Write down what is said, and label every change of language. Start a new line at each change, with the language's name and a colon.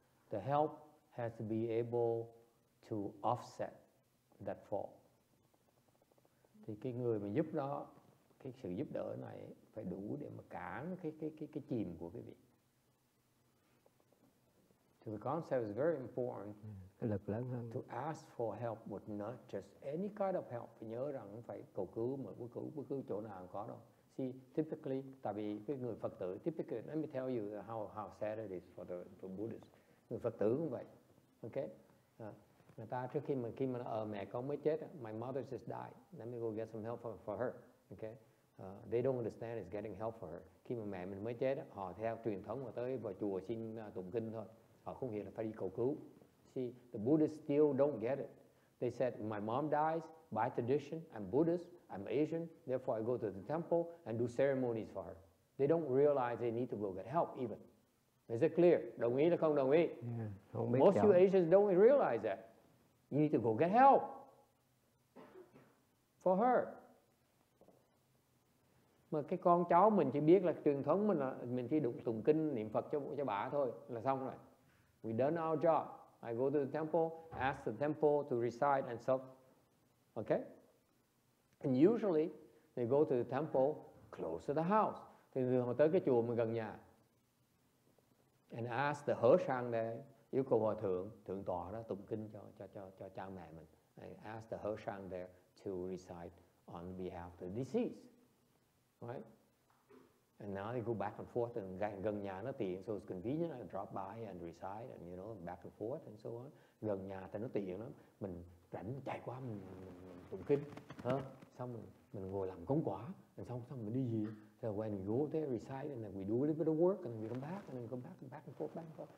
English: the help has to be able to offset that fall.
Vietnamese: Thì cái người mà giúp đó, cái sự giúp đỡ này phải đủ để mà cản cái chìm của quý vị.
English: So the concept is very important.
Vietnamese: Lực lớn hơn.
English: To ask for help would not just any kind of help.
Vietnamese: Phải nhớ rằng phải cầu cứu mà cứu chỗ nào có đâu.
English: See, typically,
Vietnamese: tại vì cái người Phật tử, typically,
English: let me tell you how sad it is for the Buddhist.
Vietnamese: Người Phật tử cũng vậy. Okay? Người ta trước khi mà mẹ con mới chết,
English: my mother just died. Let me go get some help for her. Okay? They don't understand it's getting help for her.
Vietnamese: Khi mà mẹ mình mới chết, họ theo truyền thống mà tới vào chùa xin tụng kinh thôi. Họ không hiểu là phải đi cầu cứu.
English: See, the Buddhists still don't get it. They said, my mom dies, by tradition, I'm Buddhist, I'm Asian, therefore I go to the temple and do ceremonies for her. They don't realize they need to go get help even. Is it clear?
Vietnamese: Đồng ý là không đồng ý?
English: Yeah, don't make most jump. You Asians don't realize that. You need to go get help for her.
Vietnamese: Mà cái con cháu mình chỉ biết là truyền thống mình là mình chỉ đụng tụng kinh, niệm Phật cho bà thôi là xong rồi.
English: We done our job. I go to the temple, ask the temple to recite and so, okay? And usually, they go to the temple close to the house.
Vietnamese: Thì họ tới cái chùa mình gần nhà.
English: And ask the hoshang there,
Vietnamese: yêu cầu hòa thượng, thượng tọa đó, tụng kinh cho cha mẹ mình. And ask the hoshang there to recite on behalf of the deceased, right?
English: And now they go back and forth and
Vietnamese: gần nhà nó tiện,
English: so it's convenient. I drop by and recite and, you know, back and forth and so on.
Vietnamese: Gần nhà thì nó tiện lắm. Mình rảnh chạy qua mình tụng kinh. Huh? Xong mình ngồi làm công quả. And xong mình đi gì.
English: So when we go there, recite, and then we do a little bit of work and then we come back and then come back and back and forth, back and forth.